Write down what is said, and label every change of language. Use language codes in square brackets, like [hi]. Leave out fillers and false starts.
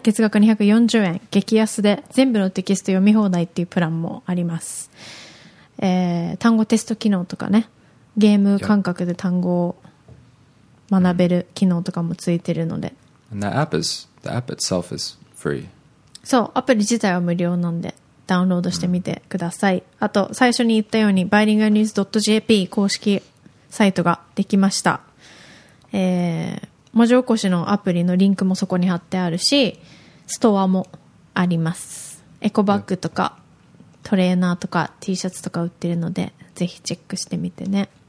[ja] 月額240円、激安で全部のテキスト読み放題っていうプランもあります。単語テスト機能とかね、ゲーム感覚で単語を学べる機能とかもついてるので。 [en] And that app is, the app itself is free. [ja] そう、アプリ自体は無料なんで。ダウンロードしてみてください。あと、最初に言ったように、バイリンガルニュース .jp 公式サイトができました、文字起こしのアプリのリンクもそこに貼ってあるしストアもありますエコバッグとかトレーナーとか T シャツとか売ってるのでぜひチェックしてみてね